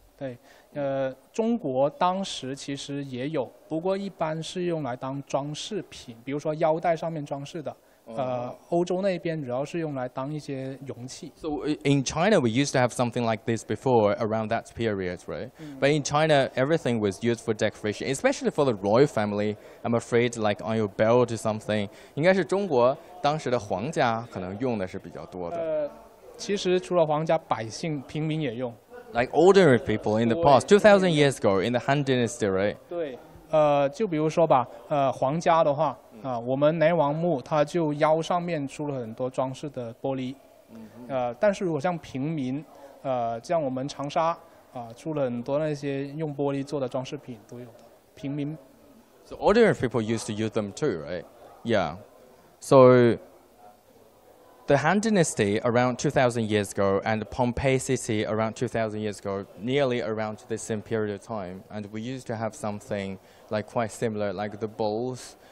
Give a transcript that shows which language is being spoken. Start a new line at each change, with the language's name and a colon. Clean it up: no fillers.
Chinese: 对，中国当时其实也有，不过一般是用来当装饰品，比如说腰带上面装饰的。欧洲那边主要是用来当一些容器。
English: So in China, we used to have something like this before around that period, right? But in China, everything was used for decoration, especially for the royal family. I'm afraid, like on your belt or something.
Chinese: 应该是中国当时的皇家可能用的是比较多的。其实除了皇家，百姓平民也用。
English: Like ordinary people in the past, 2,000 years ago in the Han Dynasty, right?
Chinese: 对，就比如说吧，皇家的话。我们南王墓他就腰上面出了很多装饰的玻璃，但是如果像平民，像我们长沙，出了很多那些用玻璃做的装饰品都有的，平民。
English: So ordinary people used to use them too, right? Yeah. So the Han Dynasty around 2,000 years ago, and Pompeii city around 2,000 years ago, nearly around the same period of time, and we used to have something like quite similar, like the bowls.